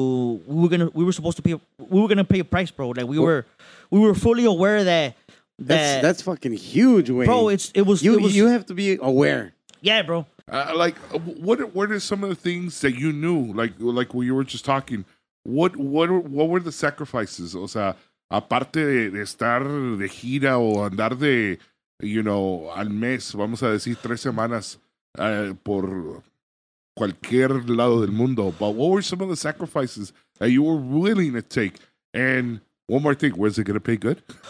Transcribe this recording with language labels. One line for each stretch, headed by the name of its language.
English: We were gonna pay a price, bro. Like we were fully aware that's fucking huge, Wayne. Bro, it was. You have to be aware. Yeah, bro. What are some of the things that you knew, like when you were just talking, what were the sacrifices?
Spanish: O sea, aparte de estar de gira o andar de, al mes, vamos a decir, 3 semanas por cualquier lado del mundo.
English: But what were some of the sacrifices that you were willing to take? And one more thing, where's it going to pay good?